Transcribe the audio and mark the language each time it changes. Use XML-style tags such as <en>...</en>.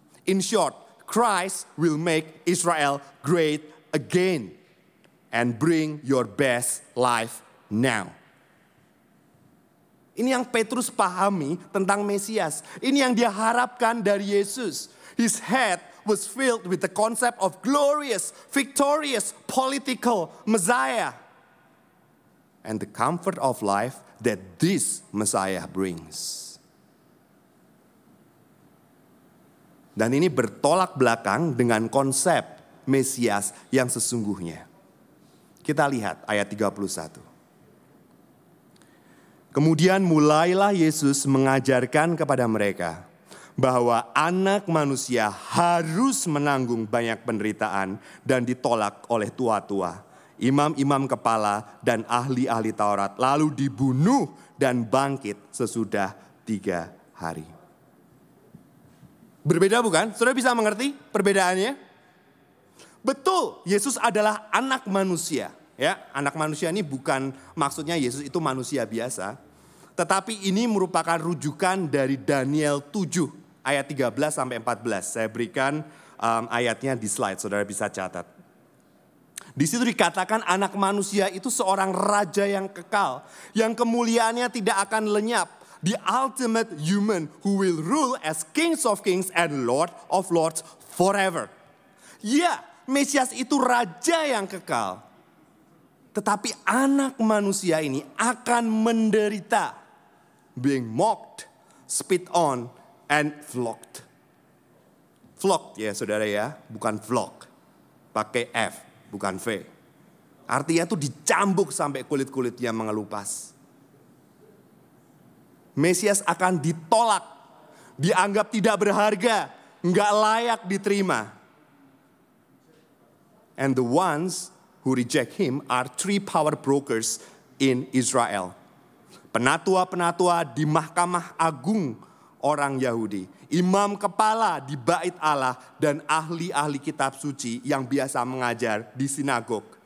<en>In short, Christ will make Israel great again. And bring your best life now.</en> <id>Ini yang Petrus pahami tentang Mesias. Ini yang dia harapkan dari Yesus.</id> <en>His head was filled with the concept of glorious, victorious, political Messiah. And the comfort of life that this Messiah brings.</en> <id>Dan ini bertolak belakang dengan konsep Mesias yang sesungguhnya. Kita lihat ayat 31. Kemudian mulailah Yesus mengajarkan kepada mereka bahwa anak manusia harus menanggung banyak penderitaan dan ditolak oleh tua-tua, imam-imam kepala dan ahli-ahli Taurat, lalu dibunuh dan bangkit sesudah 3 hari. Berbeda bukan? Sudah bisa mengerti perbedaannya? Betul, Yesus adalah anak manusia. Ya, anak manusia ini bukan maksudnya Yesus itu manusia biasa. Tetapi ini merupakan rujukan dari Daniel 7 ayat 13 sampai 14. Saya berikan ayatnya di slide, saudara bisa catat. Di situ dikatakan anak manusia itu seorang raja yang kekal, yang kemuliaannya tidak akan lenyap.</id> <en>The ultimate human who will rule as kings of kings and lord of lords forever.</en> <id>Ya, Mesias itu raja yang kekal. Tetapi anak manusia ini akan menderita, being mocked, spit on, and flogged. Flogged ya saudara ya, bukan flog. Pakai F, bukan V. Artinya itu dicambuk sampai kulit-kulitnya mengelupas. Mesias akan ditolak, dianggap tidak berharga, enggak layak diterima.</id> <en>And the ones who reject him are 3 power brokers in Israel.</en> <id>Penatua-penatua di mahkamah agung orang Yahudi. Imam kepala di bait Allah dan ahli-ahli kitab suci yang biasa mengajar di sinagog.</id>